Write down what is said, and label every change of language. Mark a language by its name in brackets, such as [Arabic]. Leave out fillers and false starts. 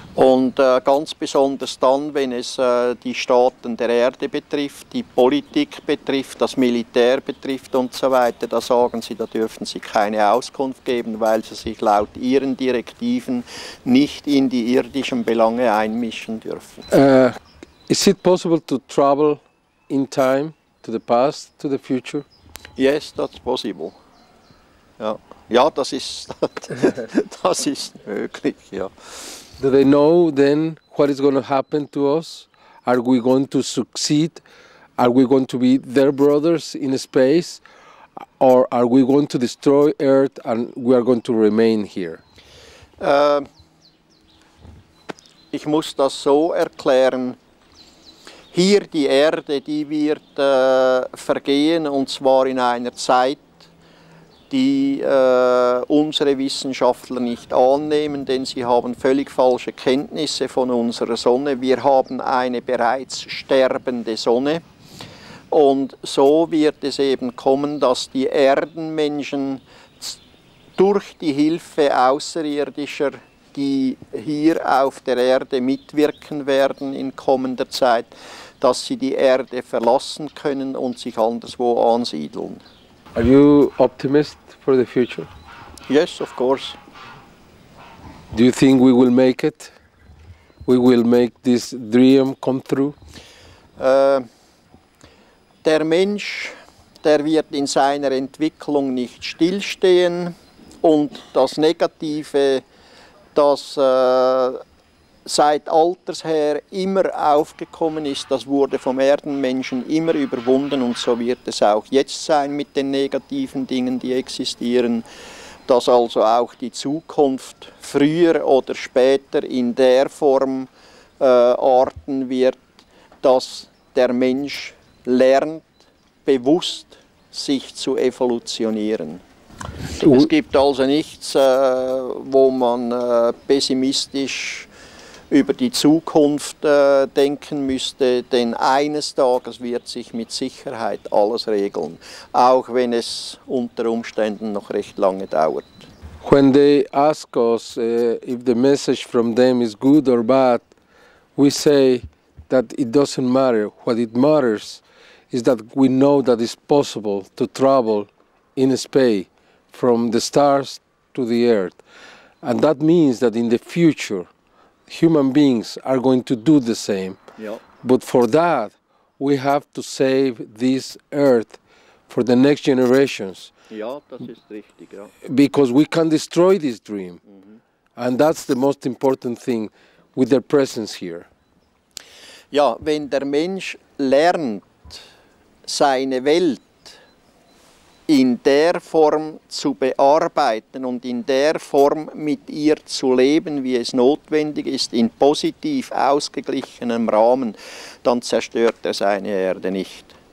[German] Und ganz besonders dann, wenn es die Staaten der Erde betrifft, die Politik betrifft, das Militär betrifft und so weiter, da sagen sie, da dürfen sie keine Auskunft geben, weil sie sich laut ihren Direktiven nicht in die irdischen Belange einmischen dürfen. [English] Is it possible to travel in time to the past, to the future? Yes, that's possible. [German] Ja, ja, das ist möglich, ja. [English] Do they know then what is going to happen to us? Are we going to succeed? Are we going to be their brothers in space? Or are we going to destroy Earth and we are going to remain here? [German] Ich muss das so erklären. Hier die Erde, die wird vergehen, und zwar in einer Zeit, die unsere Wissenschaftler nicht annehmen, denn sie haben völlig falsche Kenntnisse von unserer Sonne. Wir haben eine bereits sterbende Sonne. Und so wird es eben kommen, dass die Erdenmenschen durch die Hilfe Außerirdischer, die hier auf der Erde mitwirken werden in kommender Zeit, dass sie die Erde verlassen können und sich anderswo ansiedeln. [English] Are you optimist for the future? Yes, of course. Do you think we will make it? We will make this dream come true? [German] Der Mensch, der wird in seiner Entwicklung nicht stillstehen, und das Negative, das seit Alters her immer aufgekommen ist, das wurde vom Erdenmenschen immer überwunden, und so wird es auch jetzt sein mit den negativen Dingen, die existieren, dass also auch die Zukunft früher oder später in der Form arten wird, dass der Mensch lernt, bewusst sich zu evolutionieren. Es gibt also nichts, wo man pessimistisch über die Zukunft denken müsste, denn eines Tages wird sich mit Sicherheit alles regeln, auch wenn es unter Umständen noch recht lange dauert. [English] When they ask us if the message from them is good or bad, we say that it doesn't matter. What it matters is that we know that it's possible to travel in space from the stars to the earth. And that means that in the future, human beings are going to do the same. Yep. But for that, we have to save this Earth for the next generations. [German] Ja, das ist richtig, ja. [English] Because we can destroy this dream. Mm-hmm. And that's the most important thing with their presence here. [German] Ja, wenn der Mensch lernt, seine Welt in der Form zu bearbeiten und in der Form mit ihr zu leben, wie es notwendig ist, in positiv ausgeglichenem Rahmen, dann zerstört er seine Erde nicht.